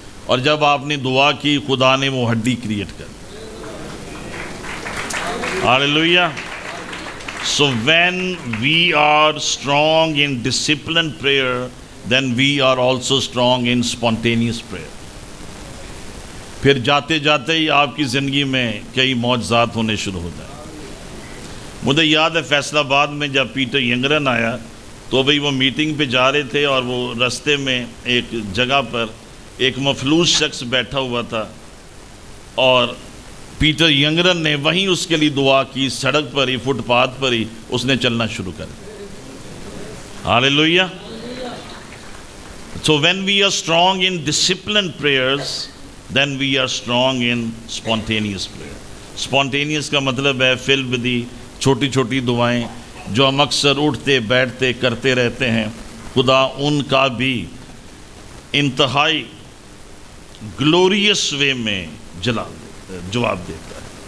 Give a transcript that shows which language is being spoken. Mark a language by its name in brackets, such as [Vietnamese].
[Urdu] اور جب آپ نے دعا کی خدا نے وہ ہڈی کریٹ کر. [English] Hallelujah. So when we are strong in disciplined prayer, then we are also strong in spontaneous prayer. [Urdu] پھر جاتے جاتے ہی آپ کی زندگی میں کئی معجزات ہونے شروع ہو جائیں. مجھے یاد ہے فیصل آباد میں جب پیٹر ینگرن آیا تو بھئی وہ میٹنگ پہ جا رہے تھے اور وہ رستے میں ایک جگہ پر ایک مفلوس شخص بیٹھا ہوا تھا اور پیٹر ینگرن نے وہیں اس کے لیے دعا کی. سڑک پر ہی فٹ پاتھ پر ہی اس نے چلنا شروع کر. [English] Hallelujah. So when we are strong in disciplined prayers, then we are strong in spontaneous prayer. [Urdu] Spontaneous کا مطلب ہے [English] filled with the [Urdu] چھوٹی چھوٹی دعائیں جو ہم اکثر اٹھتے بیٹھتے کرتے رہتے ہیں. خدا ان کا بھی انتہائی گلوریس وے میں جواب دیتا ہے.